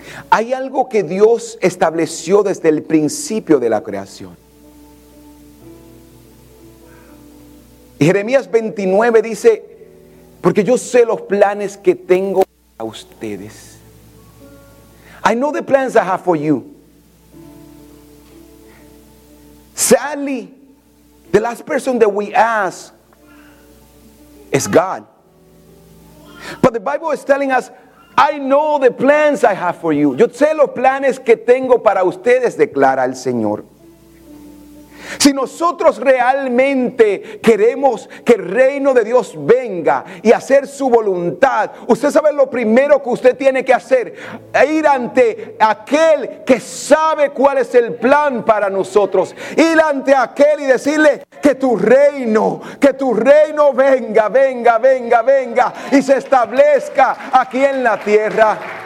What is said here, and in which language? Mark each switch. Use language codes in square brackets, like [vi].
[es] Hay algo que Dios estableció desde el principio de la creación. Y Jeremías 29 dice, porque yo sé los planes que tengo para ustedes. [en] I know the plans I have for you. Sadly, the last person that we ask is God. But the Bible is telling us, I know the plans I have for you. [es] Yo sé los planes que tengo para ustedes, declara el Señor. Si nosotros realmente queremos que el reino de Dios venga y hacer su voluntad, usted sabe lo primero que usted tiene que hacer, ir ante aquel que sabe cuál es el plan para nosotros, ir ante aquel y decirle que tu reino venga, venga, venga, venga y se establezca aquí en la tierra.